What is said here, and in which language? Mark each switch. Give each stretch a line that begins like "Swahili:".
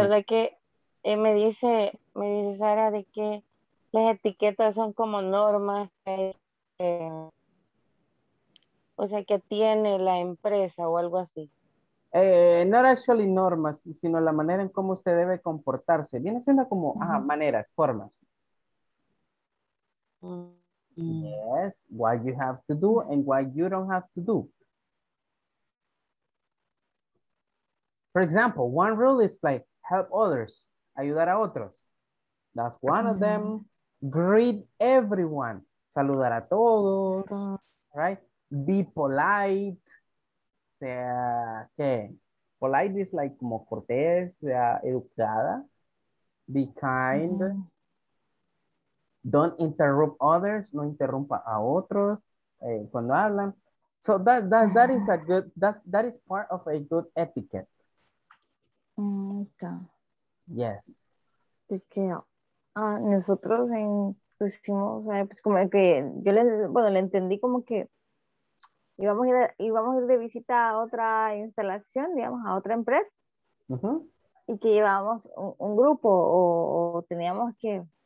Spanish: ¿Verdad que me dice Sara de que las etiquetas son como normas que, o sea, que tiene la empresa o algo así? No
English: actually
Spanish: normas, sino la manera en cómo usted debe comportarse. Viene siendo como, maneras, formas.
English: Yes, what you have to do and what you don't have to do. For example, one rule is like help others,
Spanish: ayudar a otros.
English: That's one of them. Greet everyone,
Spanish: saludar a todos,
English: right? Be polite.
Spanish: O sea, ¿qué?
English: Polite is like
Spanish: como cortés, educada.
English: Be kind. Don't interrupt others,
Spanish: no interrumpa a otros cuando hablan.
English: So that is a good, that is part of a good etiquette. Okay. Yes.
Spanish: De que nosotros en pusimos, pues como que yo le entendí como que íbamos a ir de visita a otra instalación, digamos, a otra empresa. Y que llevábamos un grupo o teníamos que.